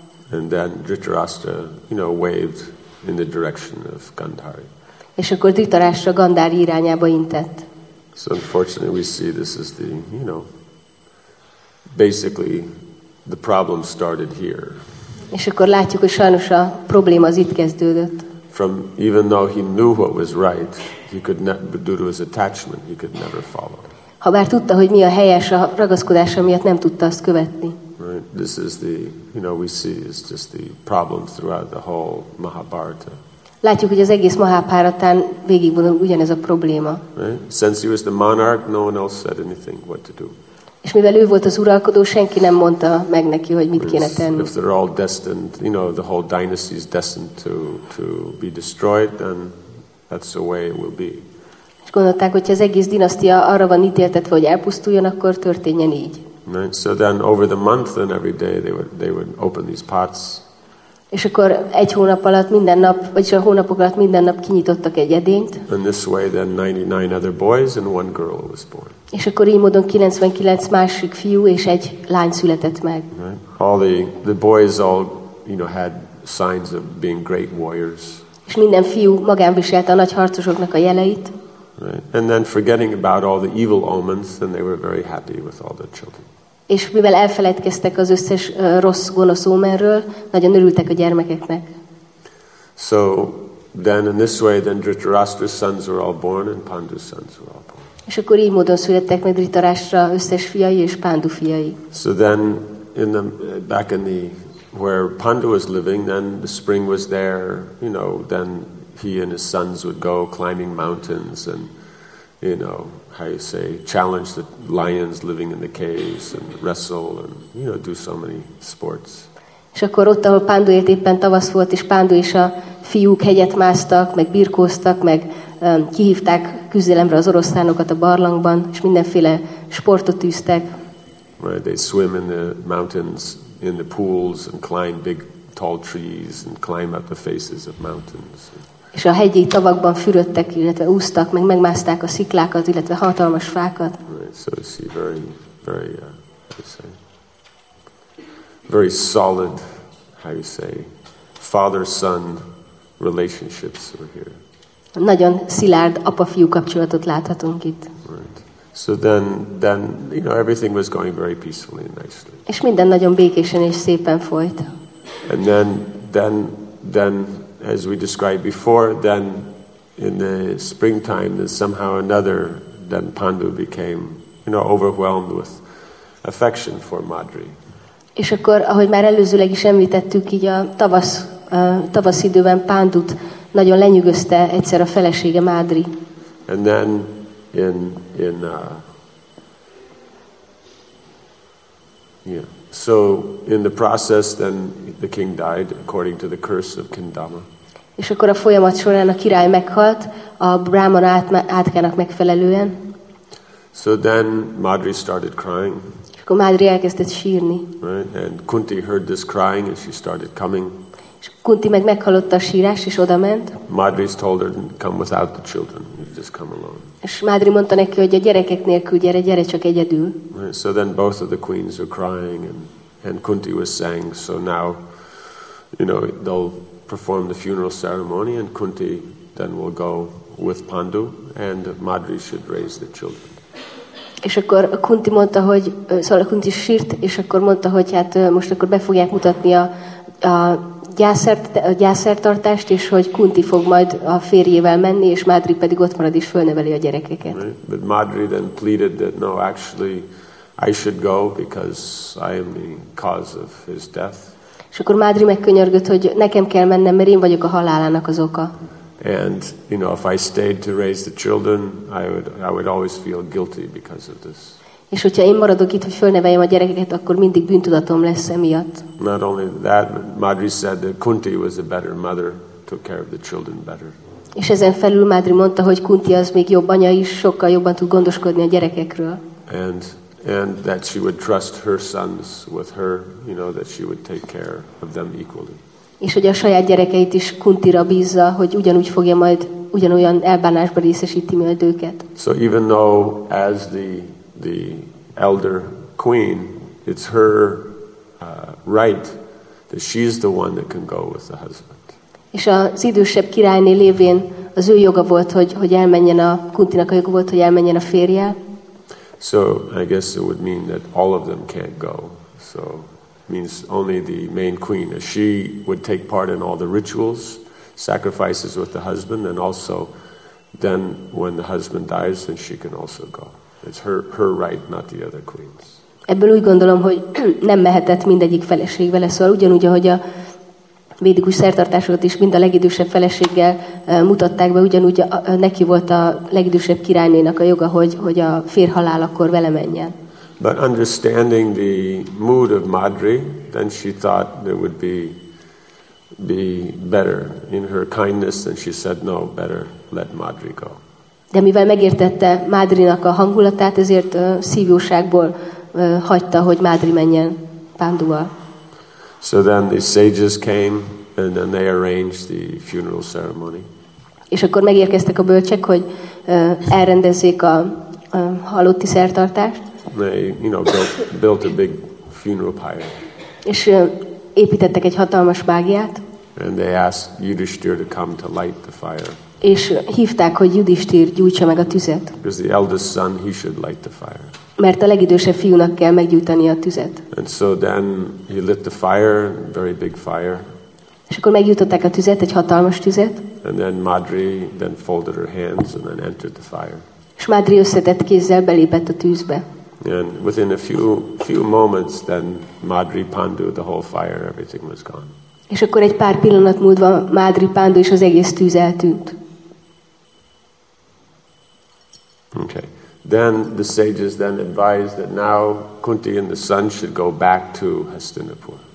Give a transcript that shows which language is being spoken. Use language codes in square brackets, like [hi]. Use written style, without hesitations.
[en] And then Dhritarashtra, you know, waved in the direction of Gandhari. [hu] És akkor Dhritarashtra Gandhari irányába intett. [en] So unfortunately we see this is the, you know, basically the problem started here. [hu] És akkor látjuk, hogy sajnos a probléma az itt kezdődött. [en] From even though he knew what was right, he could not, due to his attachment, he could never follow. [hu] Habár tudta, hogy mi a helyes, a ragaszkodása miatt nem tudta azt követni. [en] Right. This is the, you know, we see is just the problem throughout the whole Mahabharata. [hu] Látjuk, hogy az egész Mahabharatán végigvonul ugyanez a probléma. [en] Right. Since he was the monarch, no one else said anything what to do. [hu] És mivel ő volt az uralkodó, senki nem mondta meg neki, hogy mit kéne tenni. [en] If they're all destined, you know, the whole dynasty is destined to be destroyed, then that's the way it will be. [hu] És gondolták, hogy az egész dinasztia arra van ítéltetve, hogy elpusztuljon, akkor történjen így. [en] Right. So then over the month and every day they would open these pots. [hu] És akkor egy hónap alatt minden nap, vagyis a hónapok alatt minden nap kinyitottak egy edényt. [en] In this way then 99 other boys and one girl was born. [hu] És akkor így módon 99 másik fiú és egy lány született meg. [en] Right. All the boys all, you know, had signs of being great warriors. [hu] És minden fiú magán viselte a nagy harcosoknak a jeleit. [en] Right. And then forgetting about all the evil omens, then they were very happy with all their children. [hu] És mivel elfeledkeztek az összes rossz gonosz ómerről, nagyon örültek a gyermekeknek. [en] So then in this way then Dhritarashtra's sons were all born and Pandu's sons were all born. [hu] És akkor így módon születtek meg Dhritarashtra összes fiai és Pandu fiai. [en] So then in the back in the where Pandu was living, then the spring was there, you know, then he and his sons would go climbing mountains and, you know, how you say, challenge the lions living in the caves and wrestle and, you know, do so many sports. [hu] És akkor ott, ahol Pandu élt, éppen tavasz volt, és Pandu és a fiúk hegyet másztak, meg birkóztak, meg kihívták küzdelemre az oroszlánokat a barlangban, és mindenféle sportot tűztek. [en] Right, they swim in the mountains, in the pools, and climb big tall trees, and climb up the faces of mountains. [hu] És a hegyi tavakban fürödtek, illetve úsztak, meg megmászták a sziklákat, illetve hatalmas fákat. [en] Right, so you see very, very, how you say, very solid, how you say, father-son relationships were here. [hu] Nagyon szilárd apa-fiú kapcsolatot láthatunk itt. [en] Right. So then, you know, everything was going very peacefully and nicely. [hu] És minden nagyon békésen és szépen folyt. [en] And then, as we described before, then in the springtime, then somehow or another, then Pandu became, you know, overwhelmed with affection for Madri. [hu] És akkor, ahogy már előzőleg is említettük, így a tavasz időben Pandut nagyon lenyűgözte egyszer a felesége Madri. [en] And then in the process, then the king died according to the curse of Kindama. [hu] És akkor a folyamat során a király meghalt a Brahman átkának megfelelően. [en] So then Madri started crying. [hu] És akkor Madri elkezdett sírni. [en] Right? And Kunti heard this crying and she started coming. [hu] És Kunti meg meghallotta a sírás és odament. [en] Madri's told her, come without the children, you just come alone. [hu] És Madri mondta neki, hogy a gyerekek nélkül gyere csak egyedül. [en] Right? So then both of the queens were crying and Kunti was saying, so now, you know, they'll perform the funeral ceremony and Kunti then will go with Pandu and Madri should raise the children. [hu] És akkor Kunti mondta, hogy szóval Kunti sírt, és akkor mondta, hogy hát most akkor be fogják mutatni a gyászertartást, és hogy Kunti fog majd a férjével menni, és Madri pedig ott marad és fölneveli a gyerekeket. [en] Right. But Madri then pleaded that no, actually I should go because I am the cause of his death. [hu] És akkor Madri megkönyörgött, hogy nekem kell mennem, mert én vagyok a halálának az oka. [en] And you know, if I stayed to raise the children, I would always feel guilty because of this. [hu] És hogyha én maradok itt, hogy fölneveljem a gyerekeket, akkor mindig bűntudatom lesz emiatt. [en] Not only that, Madri said that Kunti was a better mother, took care of the children better. [hu] És ezen felül Madri mondta, hogy Kunti az még jobb anya is, sokkal jobban tud gondoskodni a gyerekekről. [en] And that she would trust her sons with her, you know, that she would take care of them equally. [hu] És hogy a saját gyerekeit is Kuntira bízza, hogy ugyanúgy fogja majd ugyanolyan elbánásba részesíti majd őket. [en] So even though as the elder queen, it's her right that she's the one that can go with the husband. [hu] És az idősebb királyné lévén az ő joga volt, hogy elmenjen a Kuntinak a joga volt, hogy elmenjen a férje. [en] So I guess it would mean that all of them can't go. So it means only the main queen. If she would take part in all the rituals, sacrifices with the husband, and also then when the husband dies, then she can also go. It's her right, not the other queens. [hu] Ebből úgy gondolom, hogy nem mehetett mindegyik feleség vele, szóval ugyanúgy, ahogy a védikus szertartásokat is mind a legidősebb feleséggel mutatták be, ugyanúgy neki volt a legidősebb királynénak a joga, hogy a fér halál akkor vele menjen. [en] But understanding the mood of Madri, then she thought it would be better in her kindness, and she said, no, better let Madri go. [hu] De mivel megértette Madrinak a hangulatát, ezért szívjóságból hagyta, hogy Madri menjen Panduval. [en] So then the sages came and then they arranged the funeral ceremony. [hu] És akkor megérkeztek a bölcsek, hogy elrendezzék a halotti szertartást. [en] They, you know, built a big funeral pyre. [hu] És építettek egy hatalmas bágyát. [en] And they asked Yudhishthira to come to light the fire. [hu] És hívták, hogy Yudhishthira gyújtsa meg a tüzet. [en] Because the eldest son, he should light the fire. [hu] Mert a legidősebb fiúnak kell meggyújtani a tüzet. [en] And so then he lit the fire, very big fire. [hu] És akkor meggyújtották a tüzet, egy hatalmas tüzet. [en] And then Madri then folded her hands and then entered the fire. [hu] És Madri összetett kézzel belépett a tűzbe. [en] And within a few moments, then Madri Pandu, the whole fire, everything was gone. [hu] És akkor egy pár pillanat múlva Madri Pandu és az egész tűz eltűnt. [en] Okay. Then the sages then advised that now Kunti and the son should go back to Hastinapur.